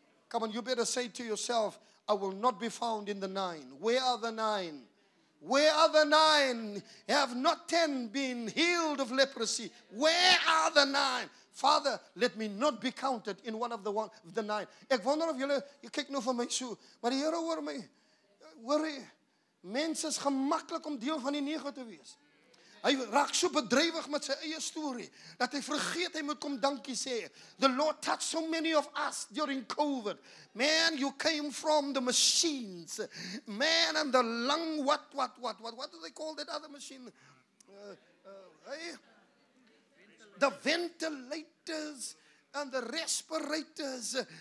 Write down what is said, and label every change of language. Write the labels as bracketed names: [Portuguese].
[English] Come on, you better say to yourself, I will not be found in the nine. Where are the nine? Where are the nine? Have not 10 been healed of leprosy? Where are the nine? Father, let me not be counted in one of the nine. [Afrikaans] Ek wonder of julle, jy kyk nou vir my so, maar die Here hoor my. Hoor jy? Mense is gemaklik om deel van die nege te wees. Hy raak so bedrywig met sy eie story dat hy vergeet hy moet kom dankie sê. [English] The Lord touched so many of us during COVID. Man, you came from the machines. Man, and the lung, what do they call that other machine? The ventilators and the respirators.